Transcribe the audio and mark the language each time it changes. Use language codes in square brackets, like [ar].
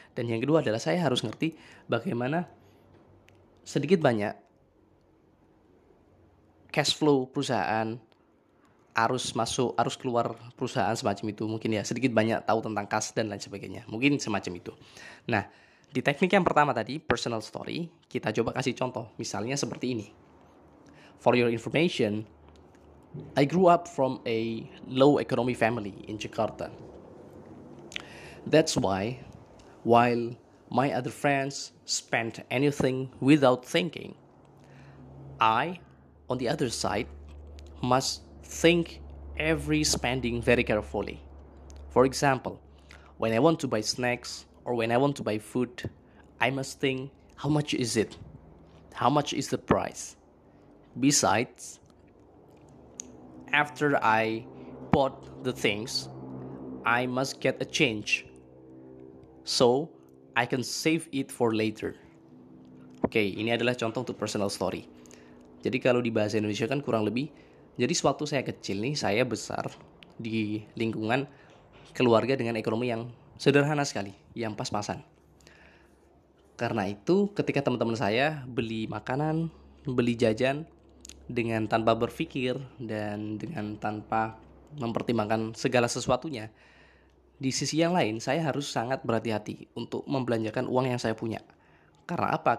[id] Dan yang kedua adalah saya harus ngerti bagaimana sedikit banyak cash flow perusahaan, arus masuk, arus keluar perusahaan, semacam itu. Mungkin ya sedikit banyak tahu tentang kas dan lain sebagainya, mungkin semacam itu. Nah, di teknik yang pertama tadi, personal story, kita coba kasih contoh misalnya seperti ini. [en] For your information, I grew up from a low economy family in Jakarta. That's why, while my other friends spent anything without thinking, I, on the other side, must think every spending very carefully. For example, when I want to buy snacks or when I want to buy food, I must think, how much is it? How much is the price? Besides, after I bought the things, I must get a change so I can save it for later. [id] Oke, ini adalah contoh untuk personal story. Jadi kalau di bahasa Indonesia kan kurang lebih, jadi sewaktu saya kecil nih, saya besar di lingkungan keluarga dengan ekonomi yang sederhana sekali, yang pas-pasan. Karena itu, ketika teman-teman saya beli makanan, beli jajan, dengan tanpa berpikir dan dengan tanpa mempertimbangkan segala sesuatunya, di sisi yang lain saya harus sangat berhati-hati untuk membelanjakan uang yang saya punya. Karena apa?